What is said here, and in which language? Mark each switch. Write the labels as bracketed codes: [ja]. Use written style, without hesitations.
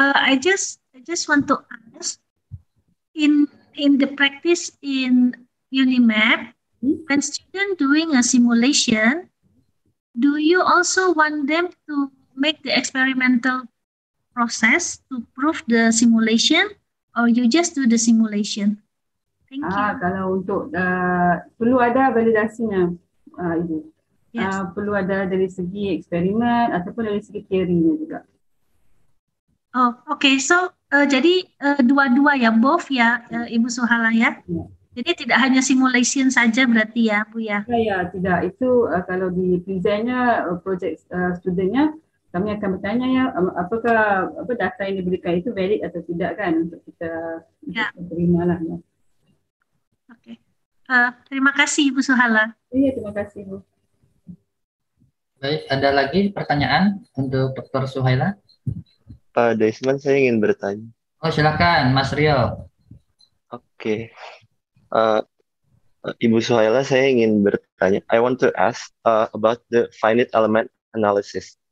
[en] I just want to ask, in the practice in UNIMAP, when students doing a simulation, do you also want them to make the experimental process to prove the simulation, or you just do the simulation? Thank you. [ms] Kalau untuk perlu ada validasinya, Ibu. [en] Yes. [ms] Perlu ada dari segi eksperimen ataupun dari segi teorinya juga. [en] Oh, okay. So, [id] dua-dua ya, [en] both [id] ya, Ibu Suhaila ya. [en] Yeah. [id] Jadi tidak hanya simulation saja berarti ya, Bu ya? [ms] Ya, tidak. Itu kalau di presentnya, project studentnya, kami akan bertanya ya, apakah data yang diberikan itu valid atau tidak kan, untuk kita terima lah. [id] Ya. Okay. Terima kasih, Ibu Suhaila. Iya, terima kasih, Bu. Baik, ada lagi pertanyaan untuk Dr. Suhaila? Pak Daisman, saya ingin bertanya. Oh, silakan, Mas Rio. Oke. Ibu Suhaila, saya ingin bertanya. [en] I want to ask about the finite element analysis.